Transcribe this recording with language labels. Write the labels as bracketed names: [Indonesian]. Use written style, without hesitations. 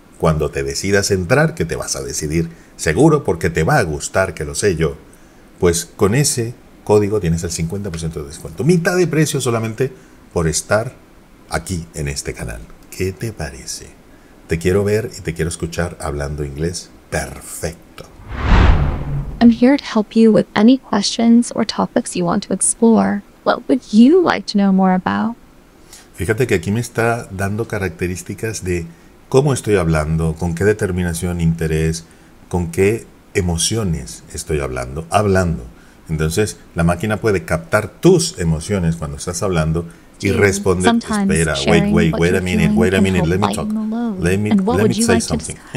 [Spanish] Cuando te decidas entrar, que te vas a decidir seguro porque te va a gustar, que lo sé yo, pues con ese código tienes el 50% de descuento. Mitad de precio solamente por estar aquí en este canal. ¿Qué te parece? Te quiero ver y te quiero escuchar hablando inglés perfecto. [English] I'm here to help you with any questions or topics you want to explore. What would you like to know more about? [Spanish] Fíjate que aquí me está dando características de cómo estoy hablando, con qué determinación, interés, con qué emociones estoy hablando. Entonces, la máquina puede captar tus emociones cuando estás hablando y responder, espera, [English] wait a minute, let me say something.